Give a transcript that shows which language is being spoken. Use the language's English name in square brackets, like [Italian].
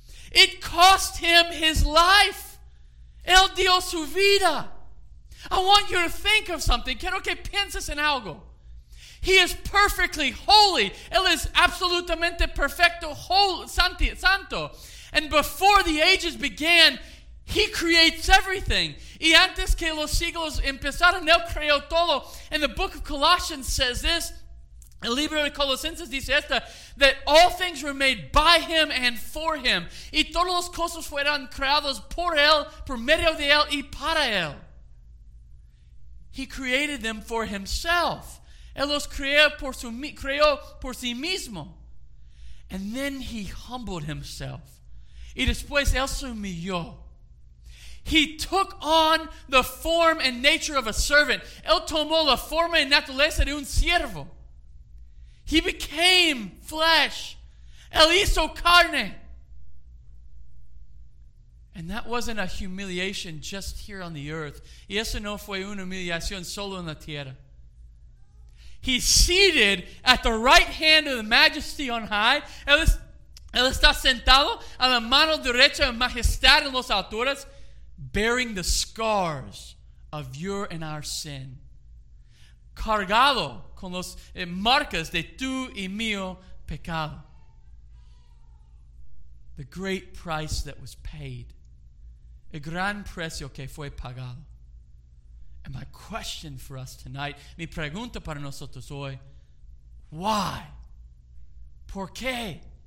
[English] It cost him his life. [Spanish] Él dio su vida. [English] I want you to think of something. [Spanish] Quiero que pienses en algo. [English] He is perfectly holy. [Spanish] Él es absolutamente perfecto, holy, santo. [English] And before the ages began, he creates everything. [Spanish] Y antes que los siglos empezaron, él creó todo. [English] And the book of Colossians says this, [Spanish] el libro de Colosenses dice esta, [English] that all things were made by him and for him. [Spanish] Y todas las cosas fueron creadas por él, por medio de él y para él. [English] He created them for himself. [Spanish] Él los creó por sí mismo. [English] And then he humbled himself. [Spanish] Y después él se humilló. [English] He took on the form and nature of a servant. [Spanish] Él tomó la forma y naturaleza de un siervo. [English] He became flesh. [Spanish] Él hizo carne. [English] And that wasn't a humiliation just here on the earth. [Spanish] Y eso no fue una humillación solo en la tierra. [English] He's seated at the right hand of the majesty on high. [Spanish] Él está sentado a la mano derecha de majestad en las alturas. [English] Bearing the scars of your and our sin. [Spanish] Cargado con las marcas de tu y mío pecado. [English] The great price that was paid. [Spanish] El gran precio que fue pagado. [English] And my question for us tonight, [Spanish] mi pregunta para nosotros hoy, [English] why? [Spanish] ¿Por qué?